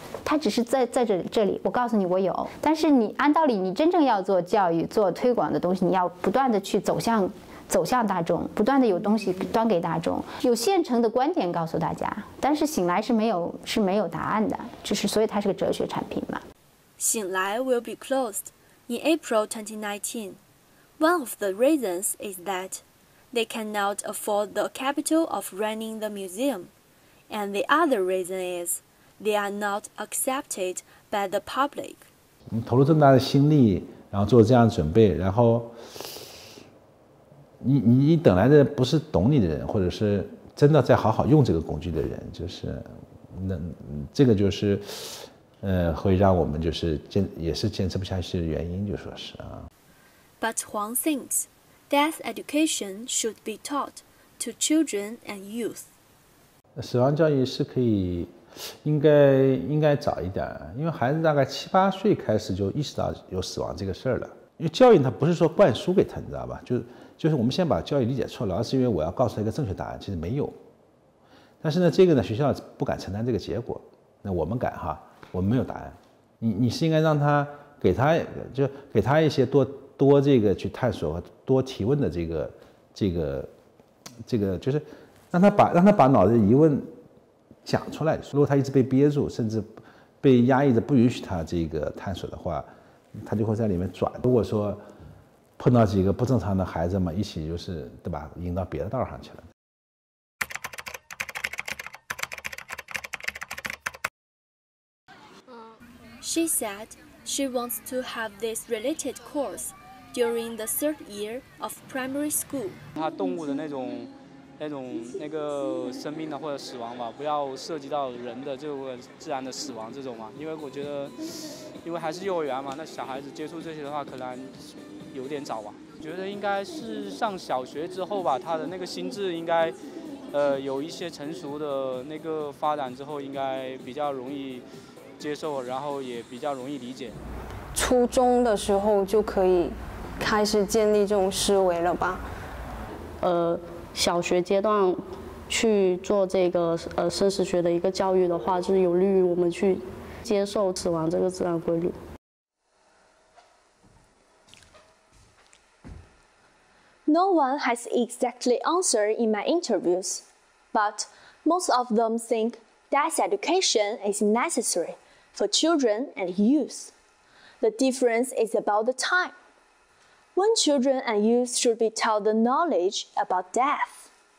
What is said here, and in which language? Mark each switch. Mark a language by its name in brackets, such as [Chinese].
[Chinese] 他只是在这里我告诉你我有，但是你按道理你真正要做教育做推广的东西，你要不断的去走向大众，不断的有东西端给大众，有现成的观点告诉大家，但是醒来是没有答案的，就是所以它是个哲学产品嘛。 [English] 醒来 will be closed in April 2019. One of the reasons is that they cannot afford the capital of running the museum, and the other reason is they are not accepted by the public. [Chinese] 投入这么大的心力，然后做这样的准备，然后。你等来的不是懂你的人，或者是真的在好好用这个工具的人，就是那这个就是会让我们就是也是坚持不下去的原因，就说是啊。 [English] But Huang thinks death education should be taught to children and youth. [Chinese] 死亡教育是可以应该早一点，因为孩子大概七八岁开始就意识到有死亡这个事儿了。因为教育它不是说灌输给他，你知道吧，就是我们先把教育理解错了，而是因为我要告诉他一个正确答案，其实没有。但是呢，这个呢，学校不敢承担这个结果，那我们敢哈，我们没有答案。你是应该让他给他就给他一些多这个去探索和多提问的这个就是让他把脑子疑问讲出来。如果他一直被憋住，甚至被压抑着不允许他这个探索的话，他就会在里面转。如果说碰到几个不正常的孩子嘛，一起就是对吧，引到别的道上去了。 [English] She said she wants to have this related course during the third year of primary school. [Chinese] 他动物的那种生命的或者死亡吧，不要涉及到人的这个自然的死亡这种嘛，因为我觉得，因为还是幼儿园嘛，那小孩子接触这些的话可能有点早吧。觉得应该是上小学之后吧，他的那个心智应该有一些成熟的那个发展之后，应该比较容易接受，然后也比较容易理解。初中的时候就可以开始建立这种思维了吧。小学阶段去做这个生死学的一个教育的话，是有利于我们去接受死亡这个自然规律。 [English] No one has exactly answered in my interviews, but most of them think death education is necessary for children and youth. The difference is about the time. When children and youth should be taught the knowledge about death.